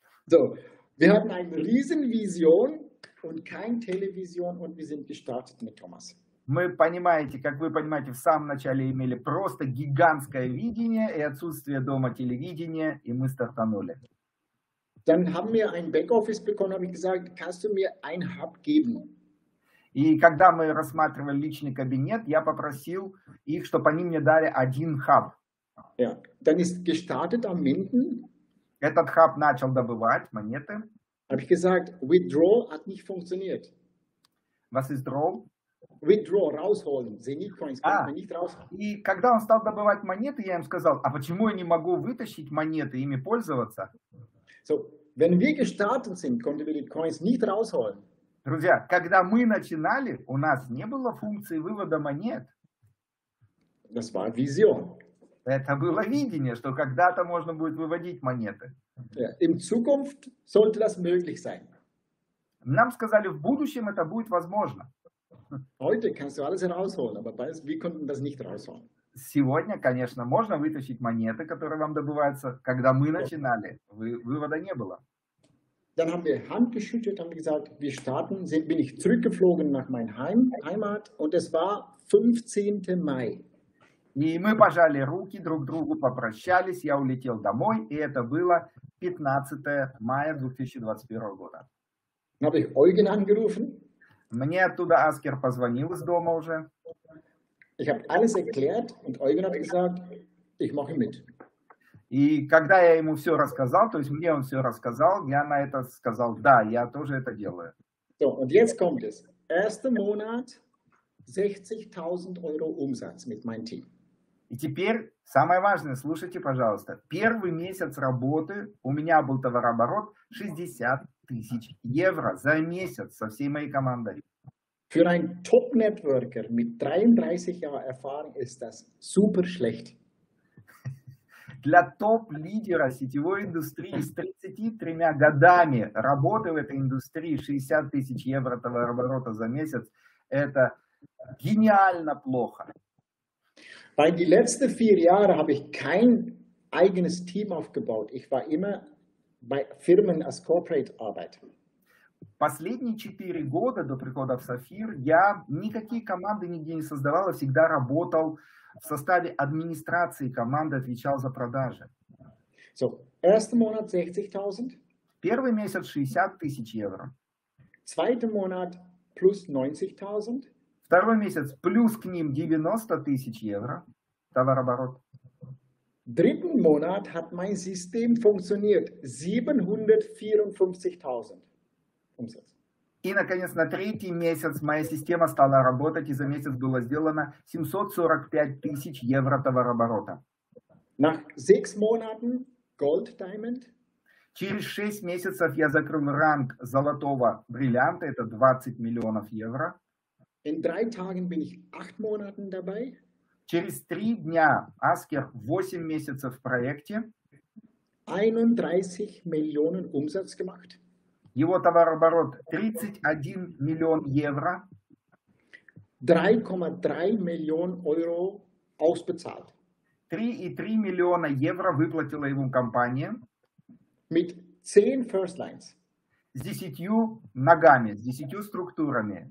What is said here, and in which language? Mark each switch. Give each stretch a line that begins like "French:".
German: So, wir hatten eine Riesenvision und kein Television und wir sind gestartet mit Thomas.
Russian: Мы, понимаете, как вы понимаете, в самом начале имели просто гигантское видение и отсутствие дома телевидения, и мы стартанули.
German: Dann haben wir ein Backoffice bekommen, habe ich gesagt, kannst du mir ein Hub geben?
Russian: И когда мы рассматривали личный кабинет, я попросил их, чтобы они мне дали один хаб.
German: Ja, dann ist gestartet am Minden.
Russian: Этот хаб начал добывать монеты.
German: Habe ich gesagt, withdraw hat nicht funktioniert. Was ist draw? Withdraw, rausholen, Zenig Coins, kann man nicht rausholen.
Russian: И когда он стал добывать монеты, я им сказал, а почему я не могу вытащить монеты, ими пользоваться?
German: So, wenn wir gestartet sind, konnten wir die Coins nicht rausholen.
Russian: Друзья, когда мы начинали, у нас не было функции вывода монет.
German: Das war Vision.
Russian: Это было видение, что когда-то можно будет выводить монеты. Yeah.
German: In Zukunft sollte das möglich sein.
Russian: Нам сказали, в будущем это будет возможно.
German: Heute kannst du alles rausholen, aber wir konnten das nicht rausholen.
Russian: Сегодня, конечно, можно вытащить монеты, которые вам добываются. Когда мы начинали, вывода не было.
German: Dann haben wir Hand geschüttelt, haben gesagt, wir starten, bin ich zurückgeflogen nach meiner Heimat und es war 15. Mai.
Russian: И мы пожали руки друг другу, попрощались, я улетел домой, и это было 15 мая 2021 года.
German: Dann habe ich Eugen angerufen.
Russian: Мне оттуда Аскер позвонил из дома уже.
German: Ich habe alles erklärt und Eugen hat gesagt, ich mache mit.
Russian: И когда я ему все рассказал, то есть мне он все рассказал, я на это сказал, да, я тоже это делаю.
German: So, und jetzt kommt es. Erster Monat 60.000 Euro Umsatz mit meinem Team.
Russian: И теперь самое важное, слушайте, пожалуйста. Первый месяц работы у меня был товарооборот 60 тысяч евро за месяц со всей моей командой.
German: Für einen Top-Networker mit 33 Jahren Erfahrung ist das super schlecht.
Russian: Для топ-лидера сетевой индустрии с 33 годами работы в этой индустрии 60 тысяч евро товарооборота за месяц – это гениально плохо.
German: Weil die letzten vier Jahre habe ich kein eigenes Team aufgebaut. Ich war immer bei Firmen als Corporate Arbeit.
Russian: Последние 4 года до прихода в Сафир я никакие команды нигде не создавал, а всегда работал в составе администрации команды, отвечал за продажи.
German: So, erster Monat 60.000.
Russian: Первый месяц 60 тысяч евро.
German: Zweiter Monat plus 90.000.
Russian: Второй месяц плюс к ним 90 тысяч евро товарооборот.
German: Dritten Monat hat mein System funktioniert 754.000.
Russian: И, наконец, на третий месяц моя система стала работать, и за месяц было сделано 745 тысяч евро товарооборота.
German: Nach 6 Monaten Gold Diamond.
Russian: Через 6 месяцев я закрыл ранг золотого бриллианта, это 20 миллионов евро.
German: In 3 Tagen bin ich 8 Monaten dabei.
Russian: Через 3 дня Аскер 8 месяцев в проекте.
German: 31
Russian: миллионов
German: Umsatz gemacht.
Russian: Его товарооборот 31 миллион евро. 3,3 миллион евро
German: ausbezahlt.
Russian: 3,3 миллиона евро выплатила ему компания.
German: Mit 10 first lines.
Russian: С 10 ногами, с 10 структурами.